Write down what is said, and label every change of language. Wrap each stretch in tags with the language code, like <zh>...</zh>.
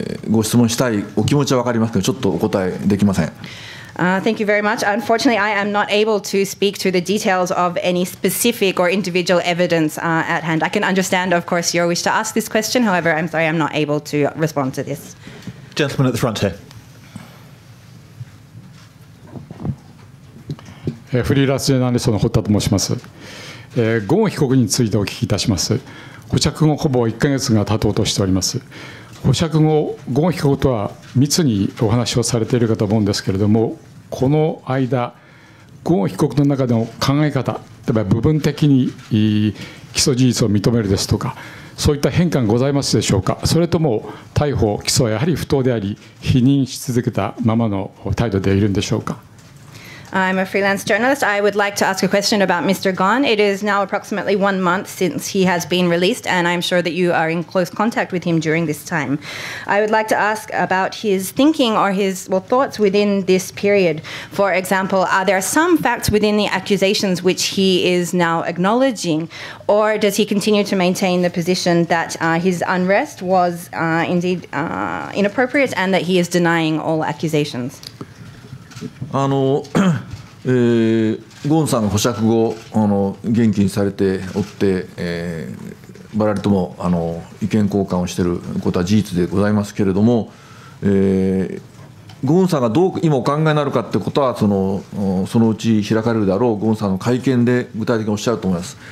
<ja>ご質問したいお気持ちは分かりますけど、ちょっとお答えできません。</ja> <en>Thank you very much. Unfortunately, I am not able to speak to the details of any specific or individual evidence at hand. I can understand, of course, your wish to ask this question. However, I'm sorry, I'm not able to respond to this. Gentleman at the front here.</en> <ja>フリーランスジャーナリストの堀田と申します。ゴーン被告についてお聞きいたします。保釈後ほぼ1ヶ月が経とうとしております。保釈後、ゴーン被告とは密にお話をされているかと思うんですけれども、この間、ゴーン被告の中での考え方、例えば部分的に起訴事実を認めるですとか、そういった変化がございますでしょうか。それとも逮捕、起訴はやはり不当であり、否認し続けたままの態度でいるんでしょうか。</ja> <en>I'm a freelance journalist. I would like to ask a question about Mr. Ghosn. It is now approximately 1 month since he has been released, and I'm sure that you are in close contact with him during this time. I would like to ask about his thinking or his thoughts within this period. For example, are there some facts within the accusations which he is now acknowledging, or does he continue to maintain the position that his unrest was indeed inappropriate and that he is denying all accusations?</en> <ja>ゴーンさんが保釈後、元気にされておって、ばらりとも意見交換をしていることは事実でございますけれども、ゴーンさんがどう今お考えになるかということは、そのうち開かれるであろうゴーンさんの会見で具体的におっしゃると思います。</ja>